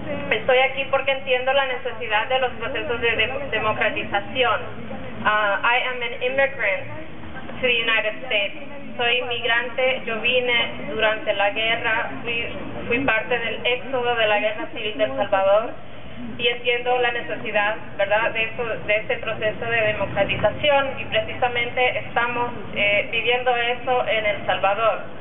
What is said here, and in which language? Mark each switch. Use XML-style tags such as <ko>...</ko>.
<es>Estoy aquí porque entiendo la necesidad de los procesos de democratización.</es> <en>I am an immigrant to the United States.</en> <es>Soy inmigrante, yo vine durante la guerra, fui parte del éxodo de la guerra civil de El Salvador, y entiendo la necesidad, ¿verdad?, de este proceso de democratización, y precisamente estamos viviendo eso en El Salvador.</es>